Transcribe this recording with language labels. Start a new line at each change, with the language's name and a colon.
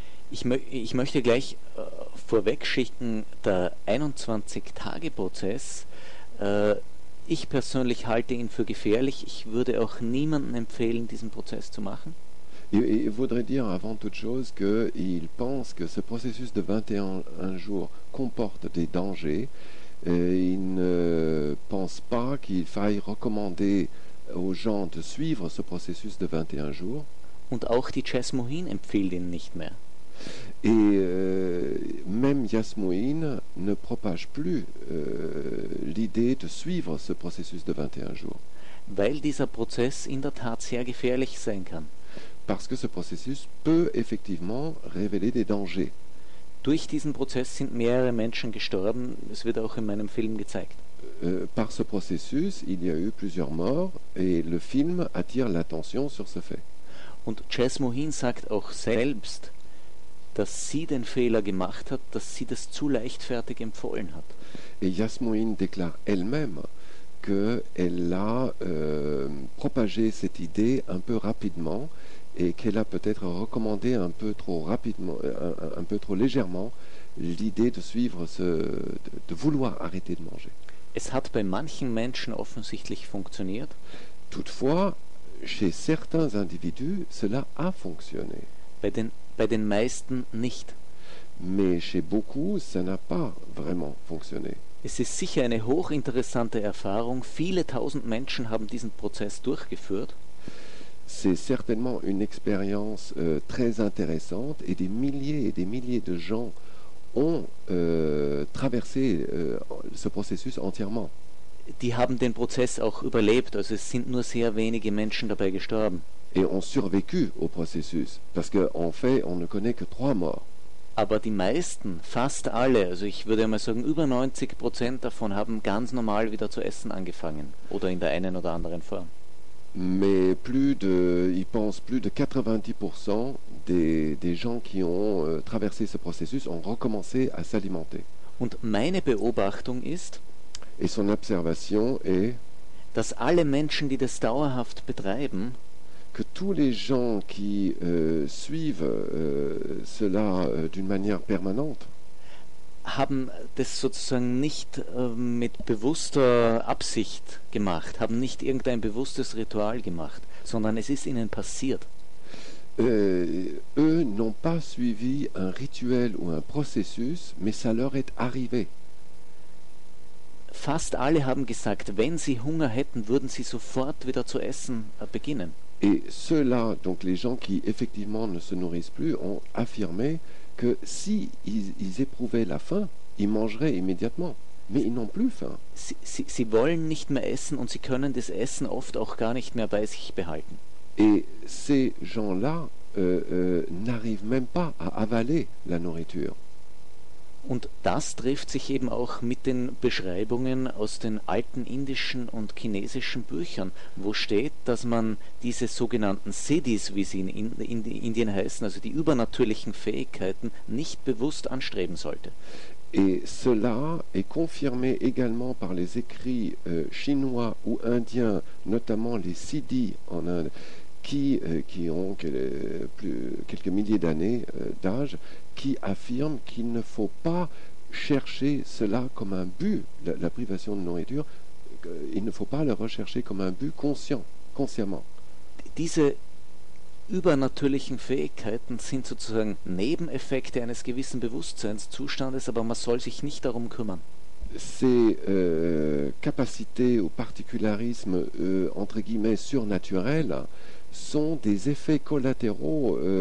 German: Ich möchte gleich vorweg schicken, der 21-Tage-Prozess, ich persönlich halte ihn für gefährlich. Ich würde auch niemandem empfehlen, diesen Prozess zu machen.
French: Il voudrait dire avant toute chose qu'il pense que ce processus de 21 jours comporte des dangers. Il ne pense pas qu'il faille recommander aux gens de suivre ce processus de 21 jours.
German: Und auch die Jasmin empfiehlt ihn nicht mehr.
French: Et même Jasmin ne propage plus l'idée de suivre ce processus de 21 jours.
German: Weil dieser Prozess in der Tat sehr gefährlich sein kann.
French: Parce que ce processus peut effectivement révéler des dangers.
German: Durch diesen Prozess sind mehrere Menschen gestorben. Es wird auch in meinem Film gezeigt.
French: Par ce processus, il y a eu plusieurs morts et le film attire l'attention sur ce fait.
German: Und Jasmin sagt auch selbst, dass sie den Fehler gemacht hat, dass sie das zu leichtfertig empfohlen hat.
French: Et Jasmin déclare elle-même que elle a propagé cette idée un peu rapidement. Et qu'elle a peut-être recommandé un peu trop rapidement, un peu trop légèrement, l'idée de suivre de vouloir arrêter de manger.
German: Es hat bei manchen Menschen offensichtlich funktioniert.
French: Toutefois, chez certains individus, cela a fonctionné.
German: Bei den meisten nicht.
French: Mais chez beaucoup, ça n'a pas vraiment fonctionné.
German: Es ist sicher eine hochinteressante Erfahrung. Viele tausend Menschen haben diesen Prozess durchgeführt.
French: C'est certainement une expérience très intéressante et des milliers de gens ont traversé ce processus entièrement.
German: Die haben den Prozess auch überlebt, also es sind nur sehr wenige Menschen dabei gestorben.
French: Et ont survécu au processus, parce qu'en fait, on ne connaît que 3 morts.
German: Aber die meisten, fast alle, also ich würde mal sagen, über 90% davon haben ganz normal wieder zu essen angefangen oder in der einen oder anderen Form.
French: Mais plus de 90% des gens qui ont traversé ce processus ont recommencé à s'alimenter.
German: Und meine Beobachtung ist,
French: et son observation est,
German: dass alle Menschen, die das dauerhaft betreiben,
French: que tous les gens qui suivent cela d'une manière permanente,
German: haben das sozusagen nicht mit bewusster Absicht gemacht, haben nicht irgendein bewusstes Ritual gemacht, sondern es ist ihnen passiert.
French: Eux n'ont pas suivi un rituel ou un processus, mais ça leur est arrivé.
German: Fast alle haben gesagt, wenn sie Hunger hätten, würden sie sofort wieder zu essen beginnen.
French: Et ceux-là, donc les gens qui effectivement ne se nourrissent plus, ont affirmé que si ils éprouvaient la faim, ils mangeraient immédiatement. Mais ils n'ont plus faim.
German: Sie wollen nicht mehr essen und sie können das Essen oft auch gar nicht mehr bei sich behalten.
French: Et ces gens-là n'arrivent même pas à avaler la nourriture.
German: Und das trifft sich eben auch mit den Beschreibungen aus den alten indischen und chinesischen Büchern, wo steht, dass man diese sogenannten Siddhis, wie sie in Indien heißen, also die übernatürlichen Fähigkeiten, nicht bewusst anstreben sollte.
French: Et cela est confirmé également par les écrits chinois ou indiens, notamment les Siddhis en Inde, qui ont quelques milliers d'années d'âge, qui affirment qu'il ne faut pas chercher cela comme un but, la privation de nourriture, il ne faut pas le rechercher comme un but consciemment.
German: Diese übernatürlichen Fähigkeiten sind sozusagen Nebeneffekte eines gewissen Bewusstseinszustandes, aber man soll sich nicht darum kümmern.
French: Ces capacités ou particularismes entre guillemets surnaturels sont des effets collatéraux